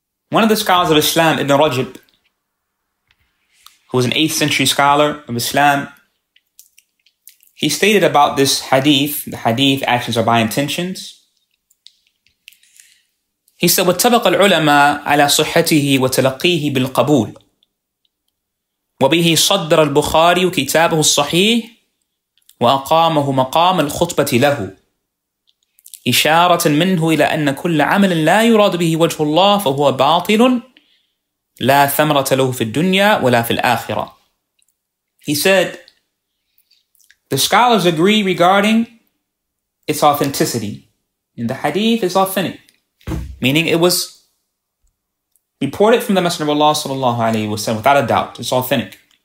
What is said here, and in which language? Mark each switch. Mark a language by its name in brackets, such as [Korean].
[English] One of the scholars of Islam, Ibn Rajab, who was an 8th century scholar of Islam, he stated about this hadith, the hadith, actions are by intentions. He said, [Arabic] وَاتَّبَقَ الْعُلَمَاءَ عَلَى صُحَّتِهِ وَتَلَقِّيهِ بِالْقَبُولِ وَبِهِ صَدَّرَ الْبُخَارِيُ كِتَابُهُ الصَّحِيحِ وأقامه مقام الخطبة له إشارة منه إلى أن كل عمل لا يراد به وجه الله فهو باطل لا ثمرة له في الدنيا ولا في الآخرة. [English] He said, the scholars agree regarding its authenticity. In the hadith is authentic, meaning it was reported from the Messenger of Allah sallallahu alaihi wasallam without a doubt. It's authentic.